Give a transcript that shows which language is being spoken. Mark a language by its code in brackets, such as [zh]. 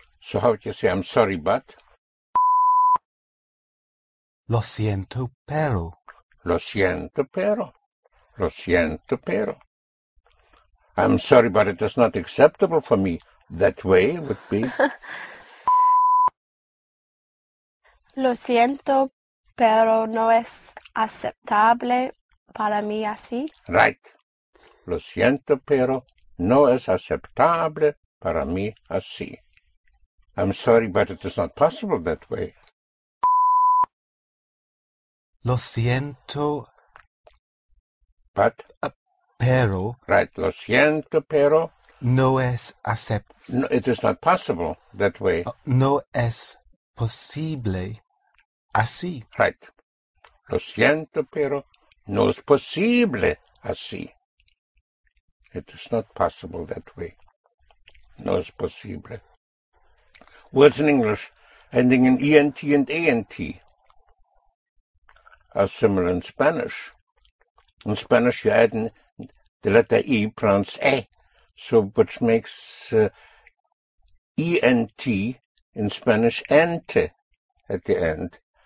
[en] So how would you say, I'm sorry, but? [es] Lo siento, pero. Lo siento, pero. Lo siento, pero. [en] I'm sorry, but it is not acceptable for me. That way would be... [es] Lo siento, pero no es aceptable para mí así. [en] Right. [es] Lo siento, pero no es aceptable. Para mí, así. [en] I'm sorry, but it is not possible that way. [es] Lo siento, [en] but [es] pero, right, lo siento, pero no es acept. [en] No, it is not possible that way. [es] No es posible así. Right, lo siento, pero no es posible así. [en] It is not possible that way. [es] No es posible. [en] Words in English ending in ENT and ANT are similar in Spanish. In Spanish, you add the letter E, pronounced E, so which makes ENT in Spanish ente at the end.